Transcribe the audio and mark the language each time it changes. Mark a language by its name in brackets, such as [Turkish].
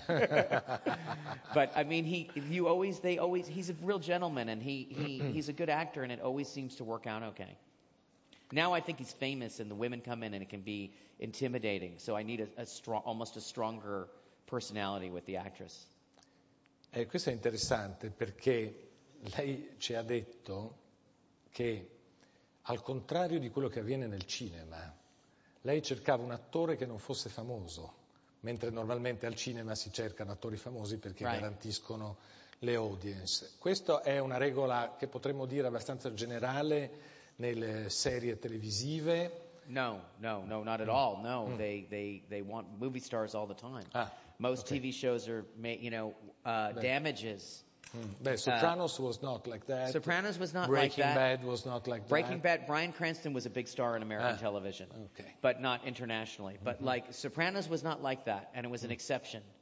[English] But, I mean, he's a real gentleman, and he's a good actor, and it always seems to work out okay. Now I think he's famous, and the women come in, and it can be intimidating. So I need almost a stronger personality with the actress. [Italian] Questo è interessante perché lei ci ha detto che, al contrario di quello che avviene nel cinema, lei cercava un attore che non fosse famoso, mentre normalmente al cinema si cercano attori famosi perché garantiscono le audience. Questa è una regola che potremmo dire abbastanza generale nelle serie televisive. [English] No, not at all. No, they want movie stars all the time. TV shows are, damages. Sopranos was not like that. Sopranos was not Breaking like that. Breaking Bad was not like that. Breaking Bad, Bryan Cranston was a big star in American television. Okay. But not internationally. But like, Sopranos was not like that, and it was an exception.